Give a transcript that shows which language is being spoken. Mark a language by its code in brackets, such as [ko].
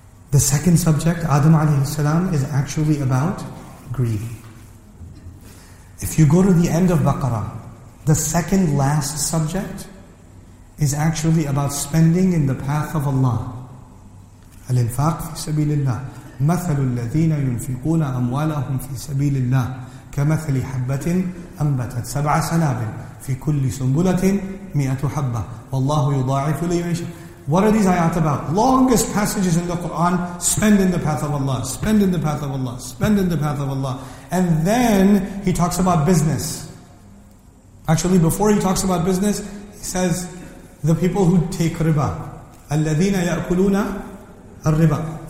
[en] The second subject, Adam alayhi salam, is actually about greed. If you go to the end of Baqarah, the second last subject is actually about spending in the path of Allah. [ar] الإنفاق في سبيل الله مثل الذين ينفقون أموالهم في سبيل الله كمثل حبة أنبتت سبع سنابل في كل سنبلة مئة حبة والله يضاعف لمن يشاء. [en] What are these ayat about? Longest passages in the Quran. Spend in the path of Allah. Spend in the path of Allah. Spend in the path of Allah. And then he talks about business. Actually, before he talks about business, he says the people who take riba, الذين يأكلون الربا.